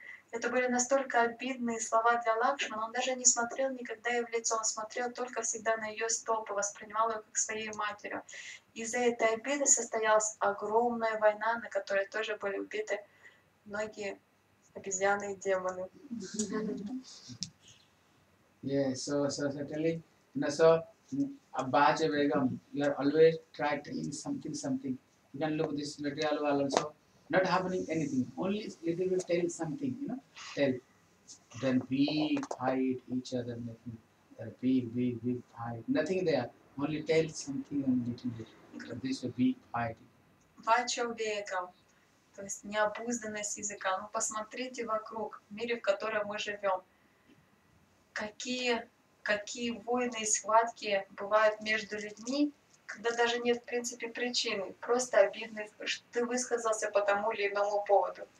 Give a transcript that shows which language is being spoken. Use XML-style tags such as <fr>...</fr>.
<ru>Это были настолько обидные слова для Лакшмана, он даже не смотрел никогда ей в лицо, он смотрел только всегда на ее стопы, воспринимал ее как своей матерью. Из-за этой обиды состоялась огромная война, на которой тоже были убиты многие обезьяны и демоны.</ru> <en>Yes, so certainly, you know, so Bhaja Vegam, you are always trying to eat something. You can look at this material world also. Not happening anything, only little bit tell something, you know, tell. Then we fight each other, nothing. Then we fight, nothing there, only tell something and little bit. So this will be fighting.</en> <ru>Бача векам, то есть необузданность языка. Ну посмотрите вокруг, в мире, в котором мы живем. Какие войны и схватки бывают между людьми, когда даже нет, в принципе, причины, просто обидно, что ты высказался по тому или иному поводу.</ru>